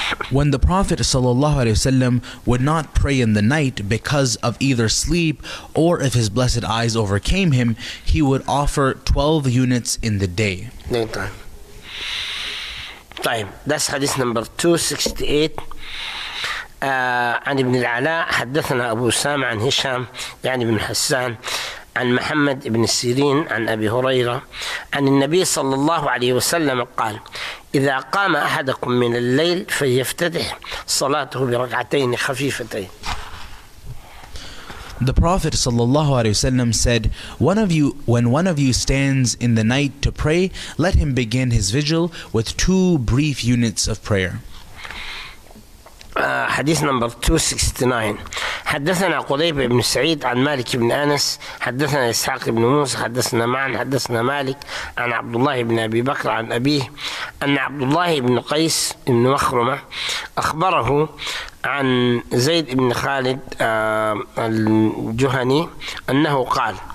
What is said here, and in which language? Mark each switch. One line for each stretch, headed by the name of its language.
English: When the Prophet sallallahu alaihi wasallam would not pray in the night because of either sleep or if his blessed eyes overcame him, he would offer 12 units in the day.
Arabic: طيب,
English: that's hadith number 268.
Arabic: عن ابن العلاء حدثنا أبو سامع عن هشام يعني ابن حسان عن محمد ابن سيرين عن أبي هريرة عن النبي صلى الله عليه وسلم قال إذا قام أحدكم من الليل فيفتتح صلاته بركعتين خفيفتين.
English: The Prophet sallallahu alaihi wasallam said, "One of you, when one of you stands in the night to pray, let him begin his vigil with two brief units of prayer."
Arabic: حديث نمبر 269. حدثنا قضيب بن سعيد عن مالك بن أنس حدثنا إسحاق بن موسى حدثنا معن حدثنا مالك عن عبد الله بن أبي بكر عن أبيه أن عبد الله بن قيس بن مخرمة أخبره عن زيد بن خالد الجهني أنه قال